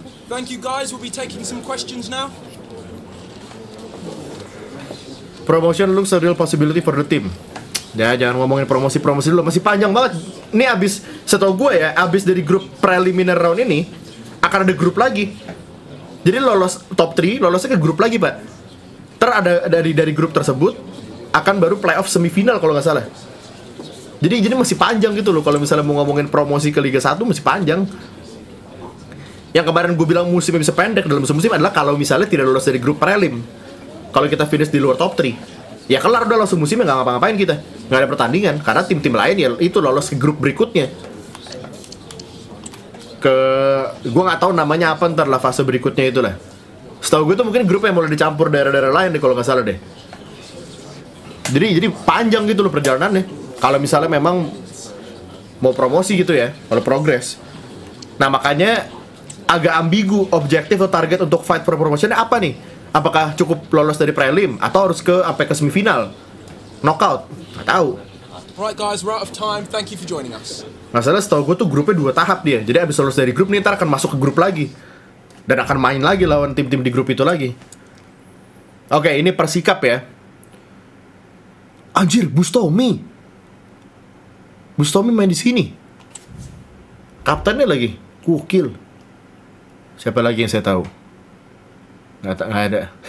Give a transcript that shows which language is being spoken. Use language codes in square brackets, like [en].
[en] Thank you guys, we'll be taking some questions now. Promotion looks a real possibility for the team. [id] Ya, jangan ngomongin promosi-promosi dulu, masih panjang banget. Ini abis, setau gue ya, abis dari grup preliminar round ini akan ada grup lagi. Jadi lolos top 3, lolosnya ke grup lagi, Pak. Ter ada dari grup tersebut akan baru playoff semifinal kalau nggak salah. Jadi masih panjang gitu loh, kalau misalnya mau ngomongin promosi ke Liga 1 masih panjang. Yang kemarin gue bilang musim bisa pendek dalam musim adalah kalau misalnya tidak lolos dari grup prelim. Kalau kita finish di luar top 3, ya kelar udah langsung musimnya nggak ngapa-ngapain kita. Nggak ada pertandingan karena tim-tim lain ya itu lolos ke grup berikutnya. Ke gue nggak tahu namanya apa ntar lah fase berikutnya itulah. Setahu gue tuh mungkin grup yang mulai dicampur daerah-daerah lain deh kalau nggak salah deh. Jadi panjang gitu loh perjalanan nih. Kalau misalnya memang mau promosi gitu ya, kalau progres. Nah makanya agak ambigu objektif atau target untuk fight for promotionnya apa nih? Apakah cukup lolos dari prelim atau harus ke sampai ke semifinal? knockout. Gak tahu. [en] Alright guys, we're out of time. Thank you for joining us. [id] Masalah setahu gue tuh grupnya dua tahap dia. Jadi abis lulus dari grup nih, ntar akan masuk ke grup lagi dan akan main lagi lawan tim-tim di grup itu lagi. Oke, ini persikap ya. Anjir, Bustomi. Bustomi main di sini. Kaptennya lagi. Kukil. Siapa lagi yang saya tahu? Nggak ada.